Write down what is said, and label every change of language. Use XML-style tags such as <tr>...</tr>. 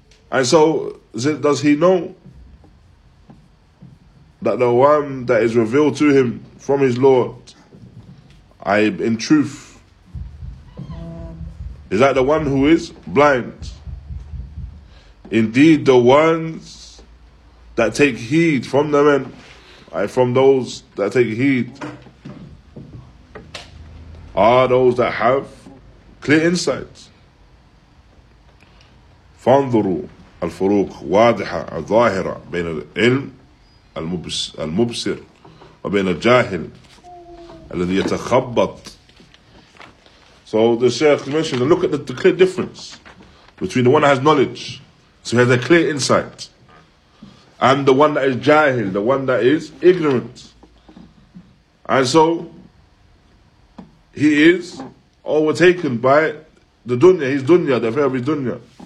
<en>And so, does he know that the one that is revealed to him from his Lord, in truth, is that the one who is blind? Indeed, the ones that take heed from the men, from those that take heed, are those that have clear insight.</en> <ar>فَانْظُرُوا الْفُرُوقُ وَاضِحَةً الظَّاهِرَةً بَيْنَ الْإِلْمِ المبصر وبين الجاهل الذي يتخبط.</ar> <en>So the Shaykh mentioned, look at the clear difference between the one that has knowledge, so he has a clear insight, and the one that is jahil, the one that is ignorant. And so he is overtaken by the dunya, his dunya, the affair of his dunya.</en>